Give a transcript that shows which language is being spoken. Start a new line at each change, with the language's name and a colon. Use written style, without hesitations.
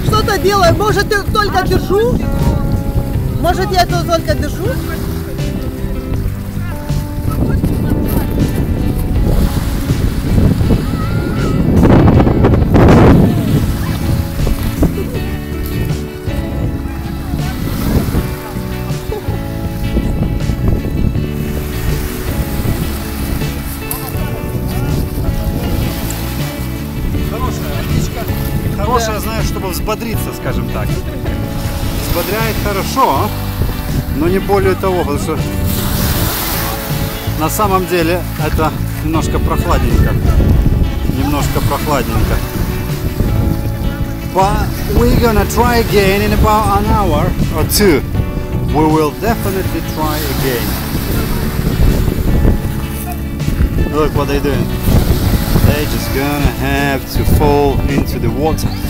Ukrainian: Що-то делаю, може, ти тільки держу?
Russian: Может, я эту только держу? Хорошая водичка. Хорошая, знаешь, чтобы взбодриться, скажем так. ободряет хорошо, но не более того, потому что на самом деле это немножко прохладненько. Немножко прохладненько.
English: But we're gonna try again in about an hour or two. We will definitely try again. Look what they're doing. They're just gonna have to fall into the water.